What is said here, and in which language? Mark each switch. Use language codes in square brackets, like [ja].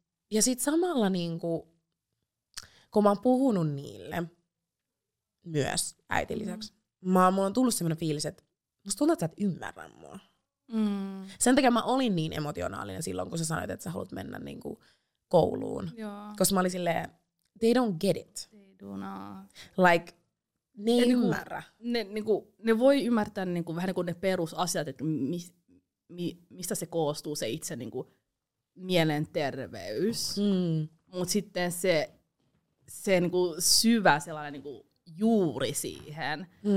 [fi] Ja sitten samalla niinku, kun mä oon puhunut niille myös äitin lisäksi, mulla on tullut sellainen fiilis, että musta tuntuu, että sä et ymmärrä mua. Sen takia mä olin niin emotionaalinen silloin, kun sä sanoit, että sä haluat mennä niinku kouluun. Joo. Koska mä olin silleen, [en] they don't get it. [fi] Like, ne ei ymmärrä. Ne voi ymmärtää niinku, vähän niin kuin ne perusasiat, että mistä se koostuu, se itse niinku, mielenterveys. Mutta sitten se niinku, syvä sellainen niinku, juuri siihen.